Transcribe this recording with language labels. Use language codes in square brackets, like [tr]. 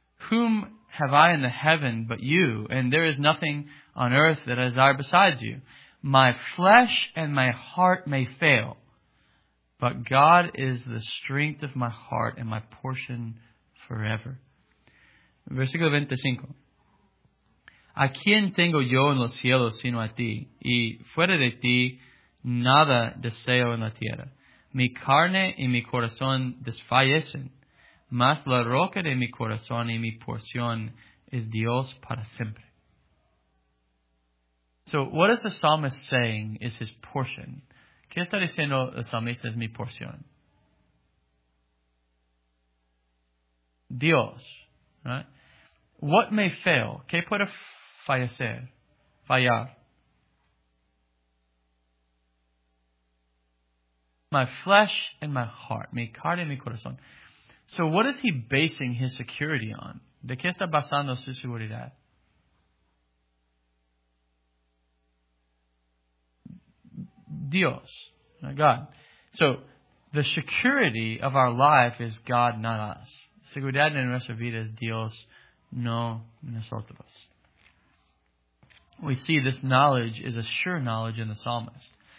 [en] Whom have I in the heaven but you, and there is nothing on earth that I desire besides you. My flesh and my heart may fail, but God is the strength of my heart and my portion forever. [es] Versículo 25. ¿A quién tengo yo en los cielos sino a ti? Y fuera de ti, nada deseo en la tierra. Mi carne y mi corazón desfallecen, mas la roca de mi corazón y mi porción es Dios para siempre. [en] So, what is the psalmist saying is his portion? [es] ¿Qué está diciendo el salmista es mi porción? [en] Dios. Right? What may fail? [es] ¿Qué puede fallecer, fallar? [en] My flesh and my heart, [es] mi carne y mi corazón. [en] So what is he basing his security on? [es] ¿De qué está basando su seguridad? Dios, God. [en] So the security of our life is God, not us. [es] Seguridad en nuestra vida es Dios, no nosotros. [en] We see this knowledge is a sure knowledge in the psalmist.